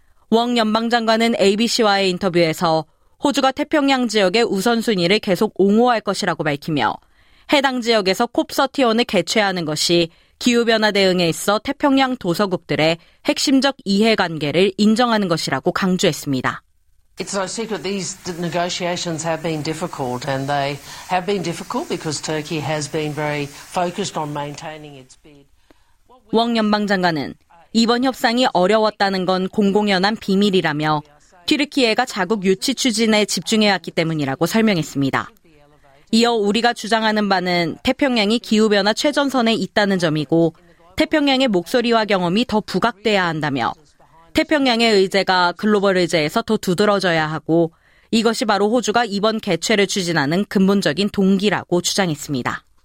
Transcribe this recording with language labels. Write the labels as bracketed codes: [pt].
[ko] 웡 연방장관은 ABC와의 인터뷰에서 호주가 태평양 지역의 우선순위를 계속 옹호할 것이라고 밝히며 해당 지역에서 콥서티원을 개최하는 것이 기후변화 대응에 있어 태평양 도서국들의 핵심적 이해관계를 인정하는 것이라고 강조했습니다. [en] It's no secret these negotiations have been difficult, and they have been difficult because Turkey has been very focused on maintaining its bid. [ko] 왕 연방장관은 이번 협상이 어려웠다는 건 공공연한 비밀이라며 튀르키예가 자국 유치 추진에 집중해왔기 때문이라고 설명했습니다. 이어 우리가 주장하는 바는 태평양이 기후변화 최전선에 있다는 점이고 태평양의 목소리와 경험이 더 부각돼야 한다며 태평양의 의제가 글로벌 의제에서 더 두드러져야 하고 이것이 바로 호주가 이번 개최를 추진하는 근본적인 동기라고 주장했습니다.